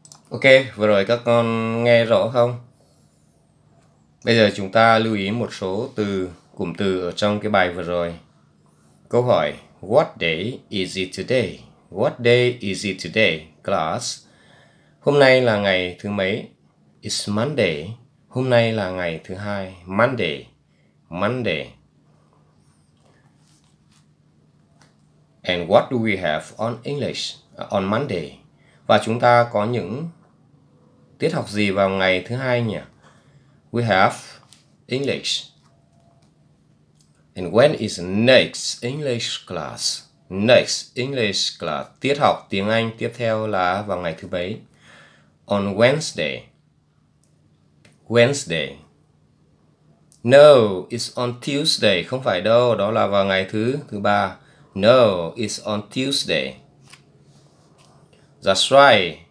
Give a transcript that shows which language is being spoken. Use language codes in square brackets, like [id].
[vi] Ok, vừa rồi các con nghe rõ không? Bây giờ chúng ta lưu ý một số từ, cụm từ ở trong cái bài vừa rồi. Câu hỏi, [en] what day is it today? What day is it today, class? [vi] Hôm nay là ngày thứ mấy? [en] It's Monday. [vi] Hôm nay là ngày thứ hai. Monday. Monday. [en] And what do we have on English? On Monday. [vi] Và chúng ta có những tiết học gì vào ngày thứ hai nhỉ? [en] We have English. And when is next English class? Next English class. [vi] Tiết học tiếng Anh tiếp theo là vào ngày thứ mấy? [en] On Wednesday. Wednesday. No, it's on Tuesday. [vi] Không phải đâu, đó là vào ngày thứ ba. [en] No, it's on Tuesday. That's right.